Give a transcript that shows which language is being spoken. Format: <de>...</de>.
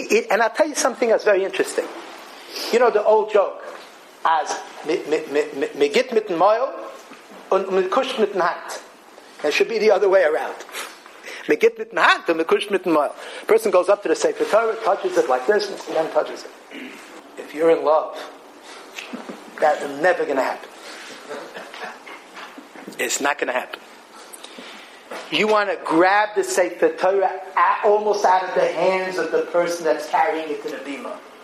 <en>And I'll tell you something that's very interesting. You know the old joke.</en> <yi>As megit mit mayo und mekush mit hand.</yi> <en>It should be the other way around.</en> <yi>Megit mit hand and mekush mit mayo.</yi> <en>Person goes up to the Sefer Torah, touches it like this, and then touches it. If you're in love, that's never going to happen. It's not going to happen. You want to grab the Sefer Torah almost out of the hands of the person that's carrying it to the bima.</en>